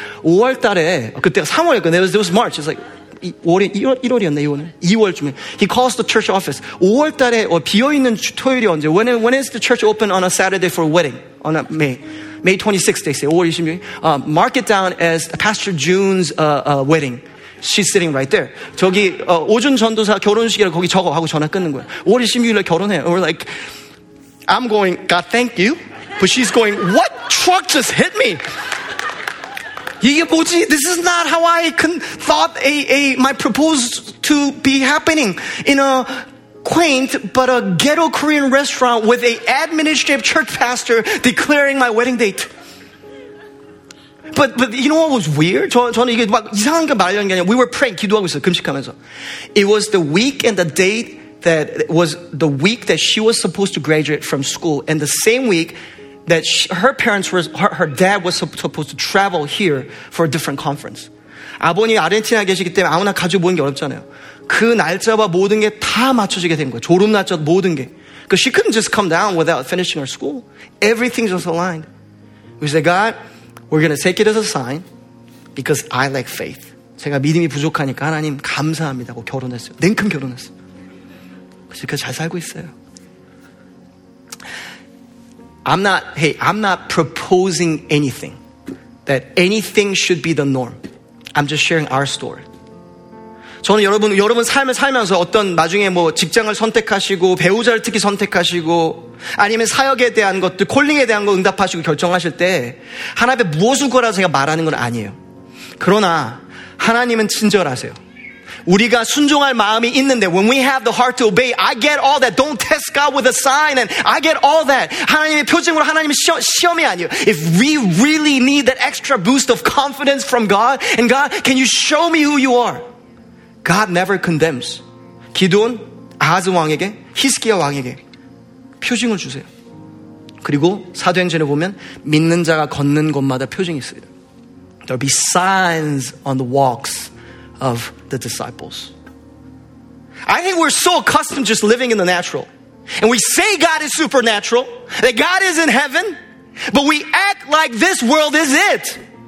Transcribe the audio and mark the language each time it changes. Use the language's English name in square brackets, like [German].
[Korean] 5월 달에, 그때가 3월이었거든요. [English] It was March. It's like, [Korean] 1월이었네, 2월. 2월쯤에. [English] He calls the church office. [Korean] 5월 달에, 비어있는 토요일이 언제? [English] When is the church open on a Saturday for a wedding? On a May. May 26th, they say. 5월 26th. Mark it down as Pastor June's wedding. She's sitting right there. [Korean] 저기, 오준 전도사 결혼식이라 거기 적어. 하고 전화 끊는 거예요. 5월 26일에 결혼해. [English] And we're like, I'm going, God, thank you. But she's going, what truck just hit me? [Korean] 이게 뭐지? [English] This is not how I thought my proposal to be happening. In a quaint but a ghetto Korean restaurant with an administrative church pastor declaring my wedding date. But you know what was weird? [Korean] 저는 이게 막 이상한 게 말하는 게 아니라 [English] we were praying, [Korean] 기도하고 있어요, 금식하면서. [English] It was the week and the date that was the week that she was supposed to graduate from school and the same week that her dad was supposed to travel here for a different conference. [Korean] 아버님이 아르헨티나 계시기 때문에 아무나 가족 모인 게 어렵잖아요. 그 날짜와 모든 게 다 맞춰지게 된 거예요. 졸업 날짜 모든 게. [English] Because she couldn't just come down without finishing her school. Everything was aligned. We said, God, we're going to take it as a sign because I lack faith. [Korean] 제가 믿음이 부족하니까 하나님 감사합니다고 결혼했어요. 냉큼 결혼했어요. 그 잘 살고 있어요. [English] I'm not proposing anything. That anything should be the norm. I'm just sharing our story. [Korean] 저는 여러분 삶을 살면서 어떤 나중에 뭐 직장을 선택하시고 배우자를 특히 선택하시고 아니면 사역에 대한 것들 콜링에 대한 거 응답하시고 결정하실 때 하나님의 무엇을 거라 제가 말하는 건 아니에요. 그러나 하나님은 친절하세요. 우리가 순종할 마음이 있는데 [English] when we have the heart to obey I get all that don't test God with a sign and I get all that [Korean] 하나님의 표징으로 하나님의 시험이 아니에요 [English] if we really need that extra boost of confidence from God and God can you show me who you are God never condemns [Korean] 기드온 아하스 왕에게 히스기야 왕에게 표징을 주세요 그리고 사도행전에 보면 믿는 자가 걷는 곳마다 표징이 있어요 [English] There'll be signs on the walks of the disciples. I think we're so accustomed to just living in the natural. And we say God is supernatural, that God is in heaven, but we act like this world is it.